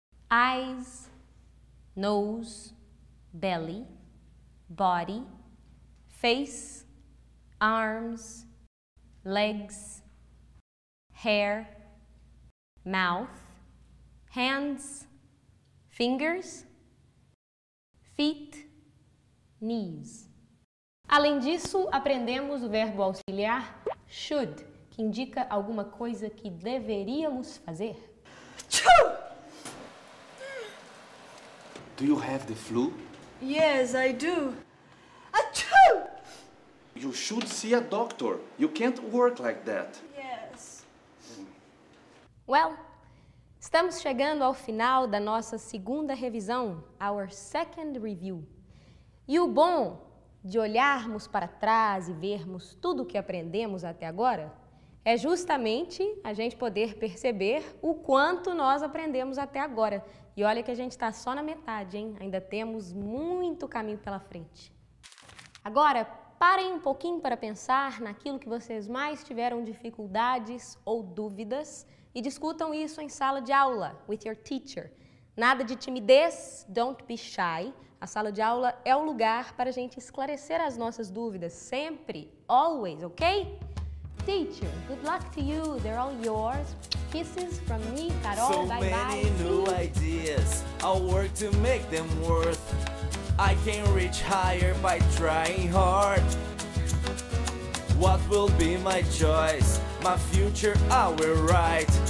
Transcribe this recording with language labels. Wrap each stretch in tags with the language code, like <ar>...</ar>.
<en>Eyes, nose, belly, body, face, arms, legs, hair, mouth, hands, fingers, feet, knees.</en> <pt>Além disso, aprendemos o verbo auxiliar should, que indica alguma coisa que deveríamos fazer.</pt> <en>Do you have the flu? Yes, I do. Achoo! You should see a doctor. You can't work like that. Yes. Well,</en> <pt>estamos chegando ao final da nossa segunda revisão,</pt> <en>our second review.</en> <pt>E o bom de olharmos para trás e vermos tudo o que aprendemos até agora é justamente a gente poder perceber o quanto nós aprendemos até agora. E olha que a gente está só na metade, hein? Ainda temos muito caminho pela frente. Agora, parem um pouquinho para pensar naquilo que vocês mais tiveram dificuldades ou dúvidas e discutam isso em sala de aula,</pt> <en>with your teacher.</en> <pt>Nada de timidez,</pt> <en>don't be shy.</en> <pt>A sala de aula é o lugar para a gente esclarecer as nossas dúvidas, sempre, always, ok?</pt> <en>Teacher, good luck to you. They're all yours. Kisses from me, Carol. So bye many bye. New ideas. I'll work to make them worth. I can reach higher by trying hard. What will be my choice? My future I will write.</en>